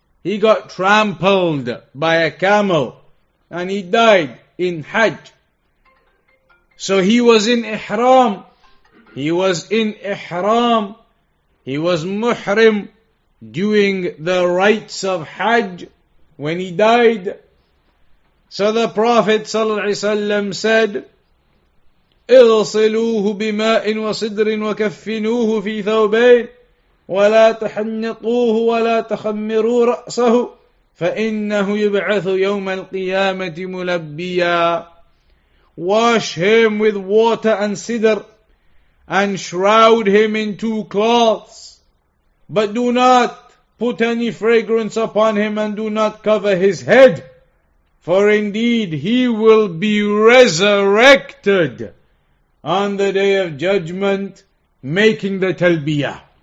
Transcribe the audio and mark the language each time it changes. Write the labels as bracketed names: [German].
[English] He got trampled by a camel and he died in Hajj. So he was in Ihram. He was in Ihram. He was Muhrim doing the rites of Hajj when he died. So the Prophet ﷺ said, [Arabic] اغسلوه بماء وصدر وكفنوه في ثوبين ولا تحنطوه ولا تخمروا رأسه فإنه يبعث يوم القيامة ملبيا. [English] Wash him with water and cedar and shroud him in two cloths, but do not put any fragrance upon him and do not cover his head, for indeed he will be resurrected on the day of judgment, making the talbiyah.